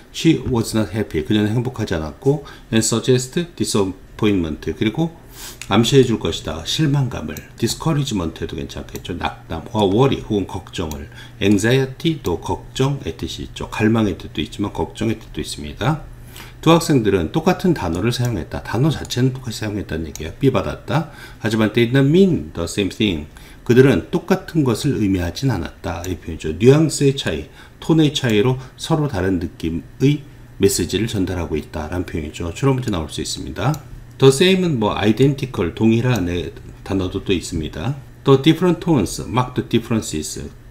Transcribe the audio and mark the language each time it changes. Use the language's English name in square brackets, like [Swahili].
[English] She was not happy, [Korean] 그녀는 행복하지 않았고, [English] and suggest disappointment, [Korean] 그리고 암시해 줄 것이다. 실망감을, discouragement에도 괜찮겠죠. 낙담, [English] or worry, [Korean] 혹은 걱정을, anxiety도 걱정의 뜻이 있죠. 갈망의 뜻도 있지만 걱정의 뜻도 있습니다. 두 학생들은 똑같은 단어를 사용했다. 단어 자체는 똑같이 사용했다는 얘기예요. B 받았다. 하지만 [English] they did not mean the same thing. [Korean] 그들은 똑같은 것을 의미하진 않았다. 이 표현이죠. 뉘앙스의 차이, 톤의 차이로 서로 다른 느낌의 메시지를 전달하고 있다라는 표현이죠. 추론 문제 나올 수 있습니다. [English] The same [Korean] 은 뭐 identical, 동일한 단어도 또 있습니다. [English] The different tones, mark the differences.